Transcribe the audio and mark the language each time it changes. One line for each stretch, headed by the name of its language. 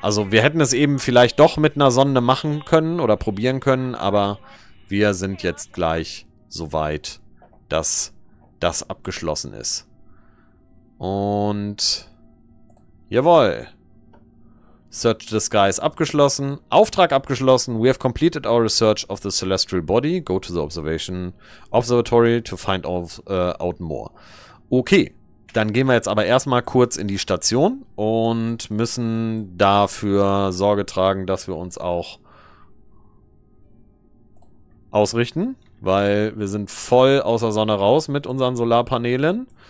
German: Also wir hätten es eben vielleicht doch mit einer Sonde machen können oder probieren können, aber wir sind jetzt gleich so weit, dass das abgeschlossen ist. Und jawohl.
English: Search the skies
German: abgeschlossen. Auftrag abgeschlossen.
English: We have completed our research of the celestial body. Go to the observatory to find out more. Okay.
German: Dann gehen wir jetzt aber erstmal kurz in die Station und müssen dafür Sorge tragen, dass wir uns auch ausrichten, weil wir sind voll aus der Sonne raus mit unseren Solarpanelen.